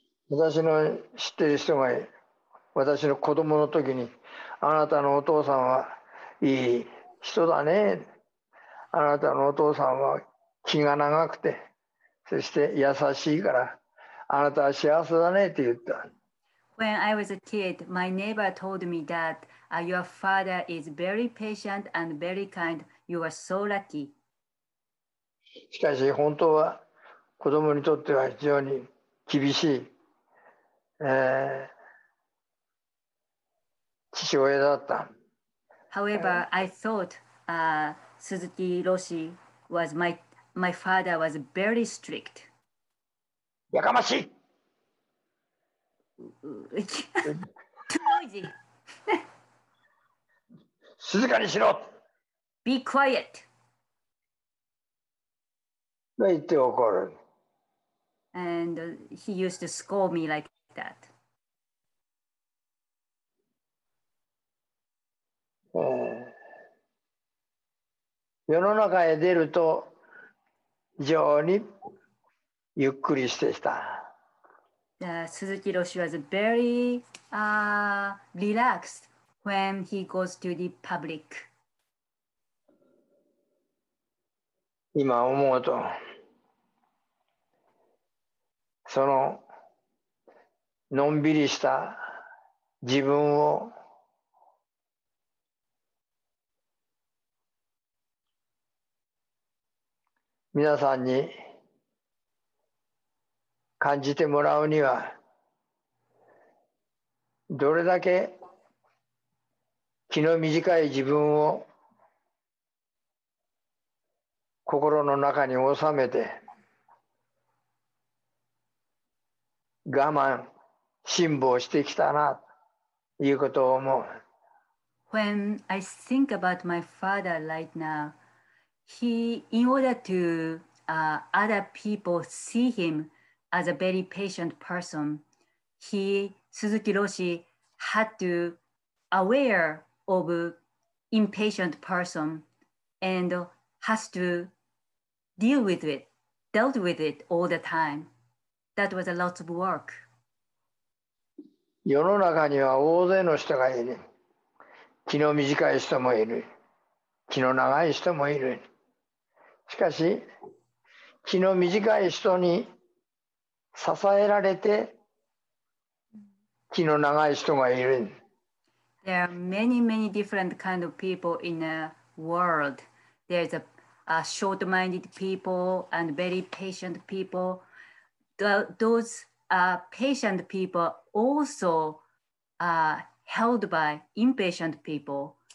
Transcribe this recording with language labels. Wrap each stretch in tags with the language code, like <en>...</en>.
<ja>私の知ってる人が私の子供の時にあなたのお父さんはいい人だね。あなたのお父さんは気が長くて。そして優しいからあなたは幸せだねって言った。</ja> <en>When I was a kid, my neighbor told me that your father is very patient and very kind. You are so lucky.</en> <ja>しかし本当は子供にとっては非常に厳しい、父親だった。</ja> <en>However, I thought Suzuki Roshi was my father was very strict.</en> <ja>やかましい。</ja> <en>Too noisy.</en> <ja>静かにしろ。</ja> <en>Be quiet.</en> <ja>と言って怒る。</ja> <en>And he used to scold me like that.</en> <ja>うん。世の中へ出ると。非常にゆっくりしてきた。</ja> <en>Suzuki Roshi was very relaxed when he goes to the public.</en> <ja>今思うと、そののんびりした自分を皆さんに感じてもらうにはどれだけ気の短い自分を心の中に収めて我慢辛抱してきたなということを思う。</ja> <en>When I think about my father right now,He, in order to other people see him as a very patient person, he, Suzuki Roshi, had to aware of impatient person and has to deal with it, dealt with it all the time. That was a lot of work.</en> <ja>世の中には大勢の人がいる。気の短い人もいる。気の長い人もいる。しかし気の短い人に支えられて気の長い人がいる。</ja> <en>There are many, many different kind of people in the world. There's a short-minded people and very patient people. Those patient people also held by impatient people.</en>